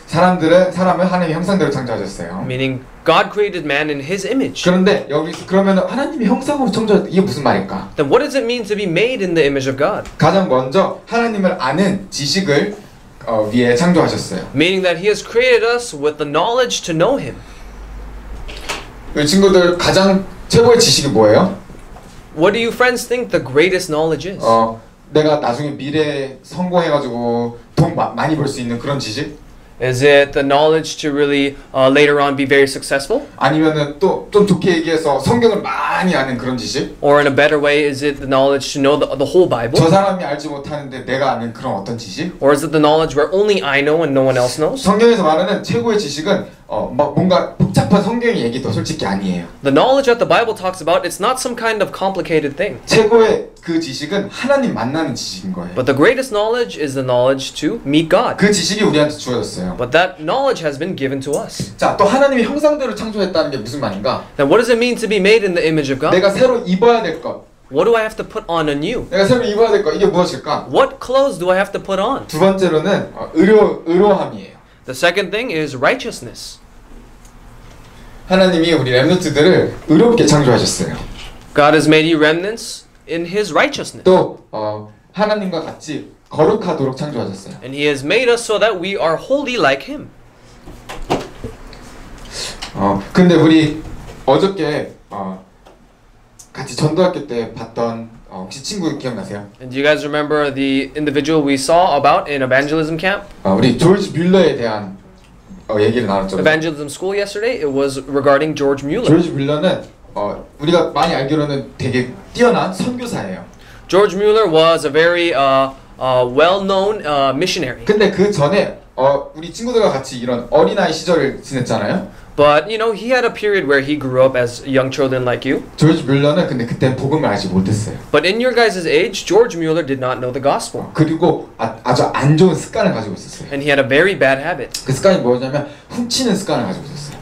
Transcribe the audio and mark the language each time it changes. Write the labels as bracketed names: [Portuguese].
[Korean] 사람을 하나님의 형상대로 창조하셨어요. [English] Meaning God created man in His image. [Korean] 그런데 여기서 그러면 하나님의 형상으로 창조 이게 무슨 말일까? [English] Then what does it mean to be made in the image of God? [Korean] 가장 먼저 하나님을 아는 지식을 위해 창조하셨어요. [English] Meaning that He has created us with the knowledge to know Him. [Korean] 우리 친구들 가장 최고의 지식이 뭐예요? [English] What do you friends think the greatest knowledge is? [Korean] 내가 나중에 미래에 성공해가지고 돈 많이 벌 수 있는 그런 지식? [English] Is it the knowledge to really later on be very successful? [Korean] 아니면은 또 좀 좋게 얘기해서 성경을 많이 아는 그런 지식? [English] Or in a better way, is it the knowledge to know the whole Bible? [Korean] 저 사람이 알지 못하는데 내가 아는 그런 어떤 지식? [English] Or is it the knowledge where only I know and no one else knows? [Korean] 성경에서 말하는 최고의 지식은 뭔가 복잡한 성경 얘기도 솔직히 아니에요. [English] The knowledge that the Bible talks about, it's not some kind of complicated thing. [Korean] 최고의 그 지식은 하나님 만나는 지식인 거예요. [English] But the greatest knowledge is the knowledge to meet God. [Korean] 그 지식이 우리한테 주어졌어요. [English] But that knowledge has been given to us. [Korean] 자, 또 하나님이 형상대로 창조했다는 게 무슨 말인가? [English] Then what does it mean to be made in the image of God? [Korean] 내가 새로 입어야 될 것. [English] What do I have to put on anew? [Korean] 내가 새로 입어야 될 것. 이게 무엇일까? [English] What clothes do I have to put on? [Korean] 두 번째로는 의로함이에요. [English] The second thing is righteousness. [Korean] 하나님이 우리 렘넌트들을 의롭게 창조하셨어요. [English] God has made you remnants in His righteousness. [Korean] 또 하나님과 같이 거룩하도록 창조하셨어요. [English] And He has made us so that we are holy like Him. [Korean] 근데 우리 어저께 같이 전도학교 때 봤던 혹시 친구 기억나세요? [English] And do you guys remember the individual we saw about in evangelism camp? [Korean] 우리 조지 뮬러에 대한 얘기를 나눴죠. [English] Evangelism school yesterday, it was regarding George Mueller. [Korean] 조지 뮬러는 우리가 많이 알기로는 되게 뛰어난 선교사예요. [English] George Mueller was a very well-known missionary. [Korean] 근데 그 전에 우리 친구들과 같이 이런 어린아이 시절을 지냈잖아요. [English] But you know, he had a period where he grew up as young children like you. [Korean] George Mueller는 근데 그때 복음을 아직 못했어요. [English] But in your guys' age, George Mueller did not know the gospel. [Korean] 그리고 아주 안 좋은 습관을 가지고 있었어요. [English] And he had a very bad habit. [Korean] 그 습관이 뭐냐면 훔치는 습관을 가지고 있었어요.